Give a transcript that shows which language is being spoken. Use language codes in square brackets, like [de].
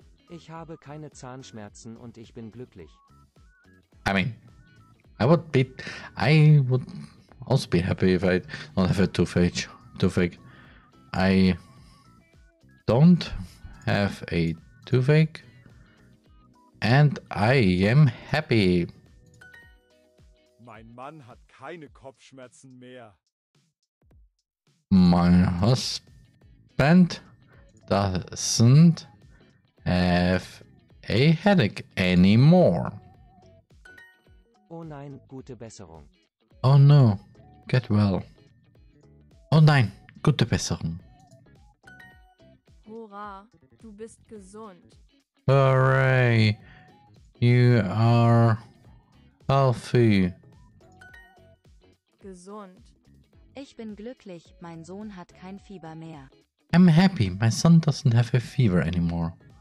[de] Ich habe keine Zahnschmerzen und ich bin glücklich. [en] I mean, I would also be happy if I don't have a toothache. I don't have a toothache and I am happy. [de] Mein Mann hat keine Kopfschmerzen mehr. [en] My husband doesn't have a headache anymore. [de] Oh nein, gute Besserung. [en] Oh no, get well. [de] Oh nein, gute Besserung. Hurra, du bist gesund. [en] Hooray, you are healthy. [de] Gesund. Ich bin glücklich, mein Sohn hat kein Fieber mehr. [en] I'm happy. My son doesn't have a fever anymore.